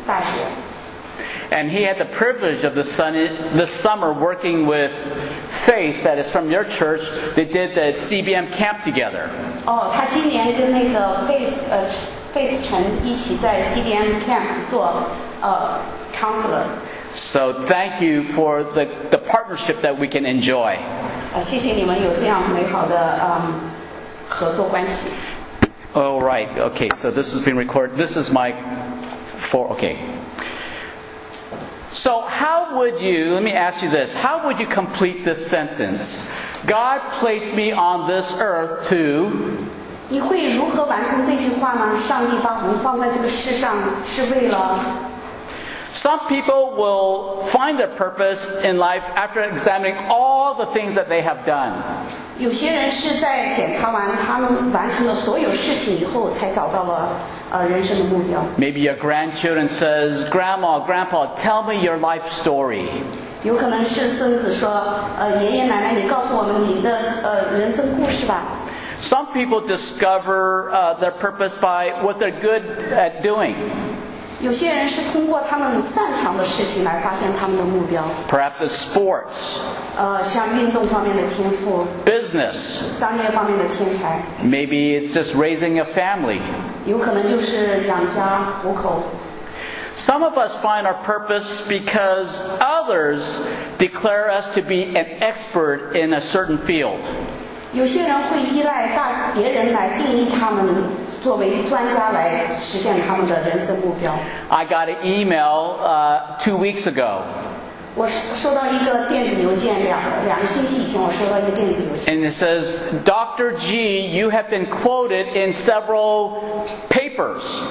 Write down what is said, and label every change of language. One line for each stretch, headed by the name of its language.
English: And he had the privilege of this summer working with Faith, that is from your church. They did the CBM camp together.
Chinese: Oh, he 今年跟那个 Faith 陈一起在 CBM camp 做counselor.
English: So thank you for the partnership that we can enjoy.
Chinese: 谢谢你们有这样美好的合作关系。
English: All right. Okay. So this has been recorded. This is my four. Okay. So how would you, let me ask you this, how would you complete this sentence? God placed me on this earth to...
Chinese: 你会如何完成这句话呢？上帝把我们放在这个世上是为了...
English: Some people will find their purpose in life after examining all the things that they have done.
Chinese: 有些人是在检查完他们完成了所有事情以后才找到了人生的目标。
English: Maybe your grandchildren says, Grandma, Grandpa, tell me your life story.
Chinese: 有可能是孙子说爷爷奶奶你告诉我们你的人生故事吧。
English: Some people discover their purpose by what they're good at doing.
Chinese: 有些人是通过他们擅长的事情来发现他们的目标。
English: Perhaps it's sports.
Chinese: 像运动方面的天赋。
English: Business.
Chinese: 商业方面的天才。
English: Maybe it's just raising a family.
Chinese: 有可能就是养家糊口。
English: Some of us find our purpose because others declare us to be an expert in a certain field.
Chinese: 有些人会依赖别人来定义他们。作为专家来实现他们的人生目标。
English: I got an email 2 weeks ago.
Chinese: 我收到一个电子邮件两个星期以前我收到一个电子邮件。
English: And it says, Dr. G, you have been quoted in several papers.